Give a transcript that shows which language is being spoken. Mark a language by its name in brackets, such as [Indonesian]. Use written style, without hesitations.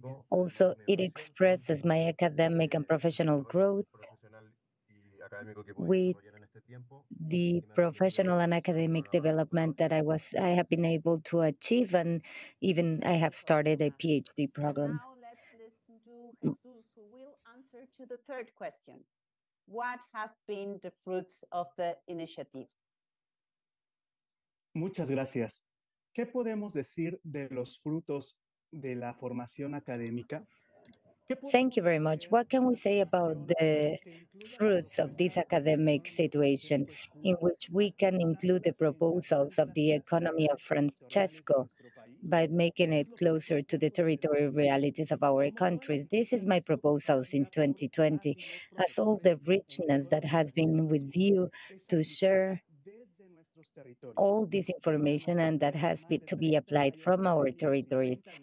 [English] Also, it expresses my academic and professional growth with the professional and academic development that I have been able to achieve, and even I have started a PhD program. Now let's listen to Jesus, who will answer to the third question. What have been the fruits of the initiative? [Spanish] Muchas gracias. ¿Qué podemos decir de los frutos de la formación académica? [English] Thank you very much. What can we say about the fruits of this academic situation in which we can include the proposals of the economy of Francesco by making it closer to the territorial realities of our countries? This is my proposal since 2020, as all the richness that has been with you to share all this information and that has been to be applied from our territories.